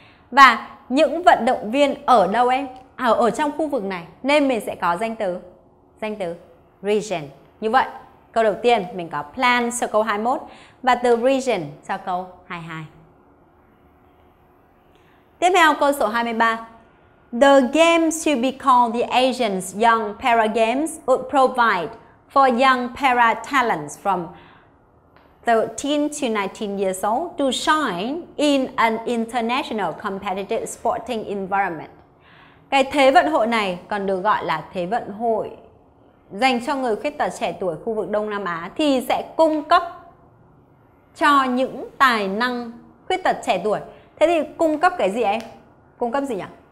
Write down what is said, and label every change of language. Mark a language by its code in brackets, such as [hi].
[vi] Và những vận động viên ở đâu em? Ở trong khu vực này nên mình sẽ có danh từ region. Như vậy, câu đầu tiên mình có plan cho câu 21 và từ region cho câu 22. Tiếp theo câu số 23. [en] The games to be called the Asian Young Para Games would provide for young para talents from 13 to 19 years old to shine in an international competitive sporting environment. [vi] Cái thế vận hội này còn được gọi là thế vận hội dành cho người khuyết tật trẻ tuổi khu vực Đông Nam Á thì sẽ cung cấp cho những tài năng khuyết tật trẻ tuổi. Thế thì cung cấp cái gì em? Cung cấp gì nhỉ?